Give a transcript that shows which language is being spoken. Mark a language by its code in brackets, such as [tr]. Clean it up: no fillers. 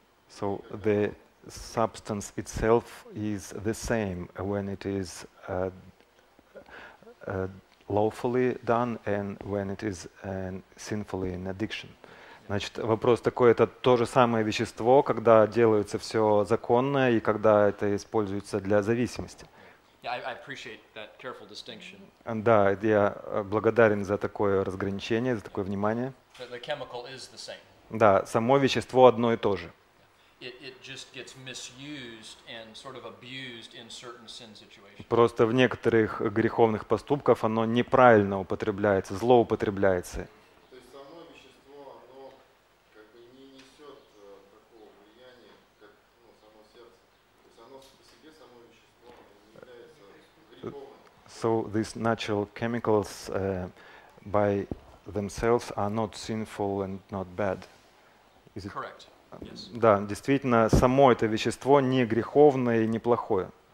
[en] So the substance itself is the same when it is lawfully done and when it is sinfully in addiction. [ru] Значит, вопрос такой, это то же самое вещество, когда делается все законное и когда это используется для зависимости. [en] Yeah, I appreciate that careful distinction. [ru] Да, я благодарен за такое разграничение, за такое внимание. [en] The chemical is the same. [ru] Да, само вещество одно и то же. [en] It just gets misused and sort of abused in certain sin situations. [ru] Просто в некоторых греховных поступках оно неправильно употребляется, злоупотребляется. То есть само вещество, оно как бы не несет такого влияния, как само сердце. То есть оно по себе само вещество является греховным. [en] So these natural chemicals by themselves are not sinful and not bad. Is it correct? [ru] Да, действительно, само это вещество не греховное и неплохое.